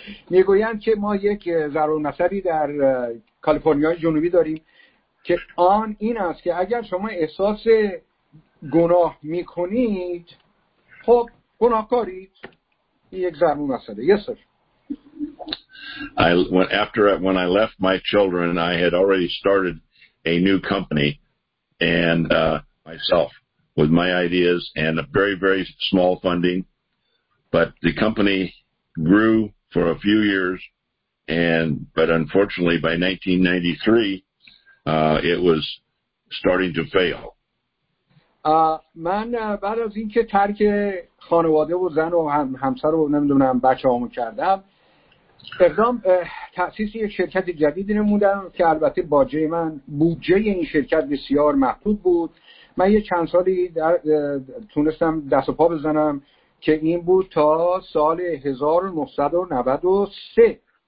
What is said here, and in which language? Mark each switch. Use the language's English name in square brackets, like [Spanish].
[Persian] میگویند که ما یک ضرب المثلی در کالیفرنیای جنوبی داریم که آن این است که اگر شما احساس گناه میکنید خب گناهکارید. یک ضرب المثلی. [English] Yes, sir. When I left my children, I had already started a new company and myself with my ideas and a very, very small funding. But the company grew for a few years, but unfortunately by 1993 it was starting to fail. [Persian] من بعد از اینکه ترک خانواده و زن و همسر و نمیدونم بچه‌هامو کردم اقدام تأسیس یک شرکت جدیدی نمودم که البته بودجه این شرکت بسیار محدود بود. من یه چند سالی تونستم دست و پا بزنم که این بود تا سال 1993.